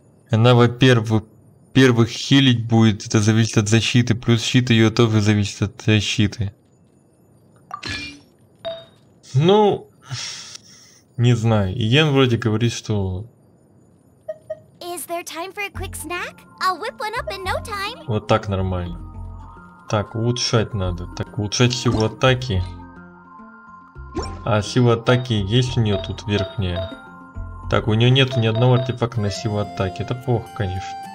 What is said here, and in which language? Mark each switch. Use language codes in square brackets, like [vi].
[ru] Она, во-первых, первых хилить будет, это зависит от защиты, плюс щит ее тоже зависит от защиты. Ну, не знаю, Иен вроде говорит, что... [en] Is there time for a quick snack? I'll whip one up in no time. [ru] Вот так нормально. Так, улучшать надо. Так, улучшать силу атаки. А сила атаки есть у нее тут верхняя? Так, у нее нету ни одного артефакта на силу атаки. Это плохо, конечно.